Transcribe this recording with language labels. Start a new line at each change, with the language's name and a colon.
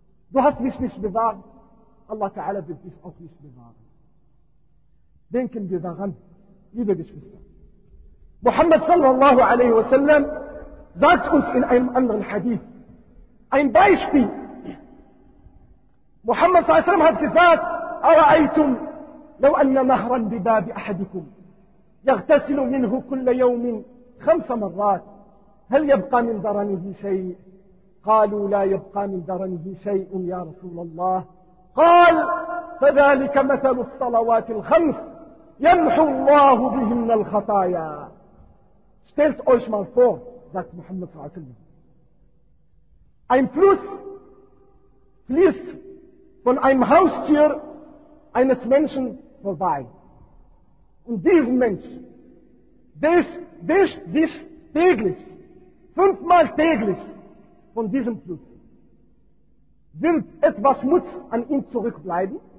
German: Du hast mich nicht bewahrt. Allah Ta'ala wird dich auch nicht bewahren. Denken wir daran, liebe Geschwister. Muhammad sallallahu alaihi wasallam sagt uns in einem anderen Hadith ein Beispiel.
Arabic: Muhammad sallallahu alaihi wasallam
German: hat gesagt,
Arabic: أرأيتم لو أن نهرا بباب أحدكم يغتسل منه كل يوم 5 مرات هل يبقى من ذرنه شيء؟ قالوا لا يبقى من ذرنه شيء يا رسول الله. قال فذلك مثل الصلوات الخمس يمحو الله بهن الخطايا.
German: Stellt euch mal vor, sagt Muhammad sallallahu alaihi wasallam, ein Fluss fließt von einem Haustier eines Menschen vorbei. Und diesen Mensch, der täglich, 5-mal täglich von diesem Fluss, wird etwas Schmutz an ihm zurückbleiben?